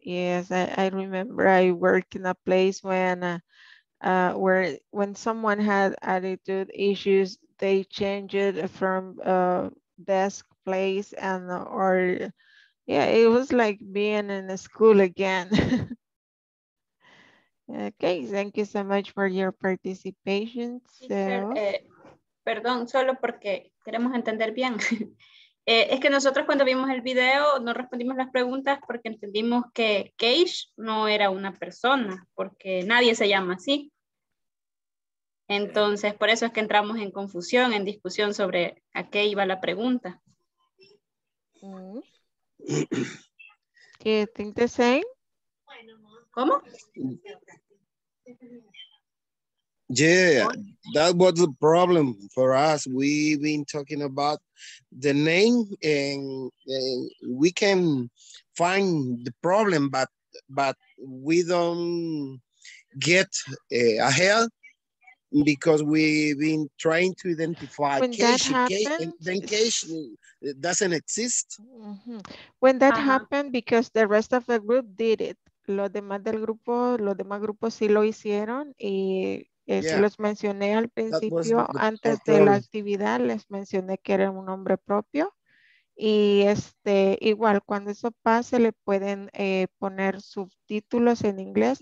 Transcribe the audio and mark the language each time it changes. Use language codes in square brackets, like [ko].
[en] Yes, I remember I worked in a place when someone had attitude issues, they changed it from desk place and or yeah, it was like being in a school again. Okay, thank you so much for your participation. So, [es] perdón, solo porque queremos entender bien. Es que nosotros cuando vimos el video no respondimos las preguntas porque entendimos que Cage no era una persona, porque nadie se llama así. Entonces, por eso es que entramos en confusión, en discusión sobre a qué iba la pregunta. [en] ¿Qué think the same? [es] ¿Cómo? [en] Yeah, that was the problem for us. We've been talking about the name and we can find the problem, but we don't get ahead because we've been trying to identify Cash doesn't exist. Mm-hmm. When that happened, because the rest of the group did it. [es] Los demás del grupo, los demás grupos sí lo hicieron y se los mencioné al principio, antes de la actividad, les mencioné que era un nombre propio. Y este, igual, cuando eso pase, le pueden poner subtítulos en inglés.